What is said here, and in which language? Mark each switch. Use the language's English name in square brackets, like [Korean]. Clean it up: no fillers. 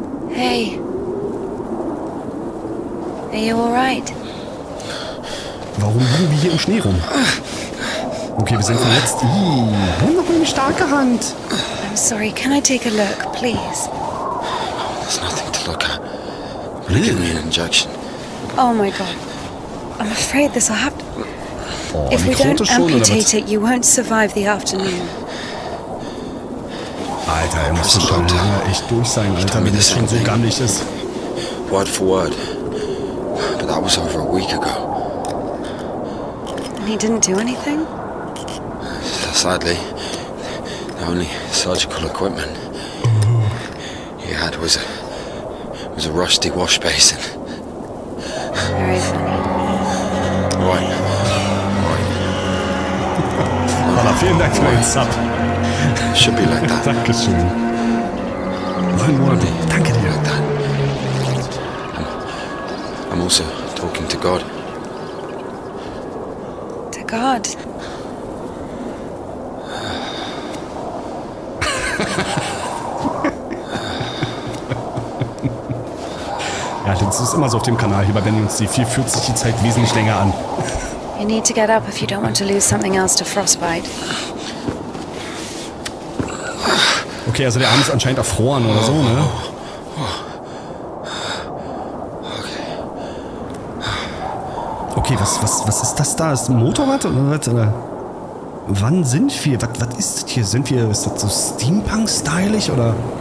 [English] Hey. Are you alright? [German] Warum liegen wir hier im Schnee rum? Okay, wir sind verletzt. Wir haben noch eine starke Hand. [English] I'm sorry, can I take a look, please? There's nothing to look at. Will you give me an injection? Oh my god. I'm afraid this will happen. Oh, if we don't amputate it, you won't survive the afternoon. [German] Alter, er muss schon lange echt durch sein, Alter, wenn das schon so gammelig ist. [English] Word for word. But that was over a week ago. And he didn't do anything? Sadly, the only surgical equipment he had was a rusty wash basin. Very funny. Right. [German] Voilà, vielen Dank für den Sub. [English] Should be like that. [German] Dankeschön. Nein, Mordi. Danke dir. [English] I'm also talking to God. To God? [German] Ja, das ist immer so auf dem Kanal hier bei Benny und Steve. Hier fühlt sich die Zeit wesentlich länger an. [English] You need to get up if you don't want to lose something else to frostbite. [German] Okay, also der Arm ist anscheinend erfroren oder so, ne? Okay, was ist das da? Ist ein Motorrad oder was? Wann sind wir? Was ist das hier? Sind wir, ist das so Steampunk-stylig oder?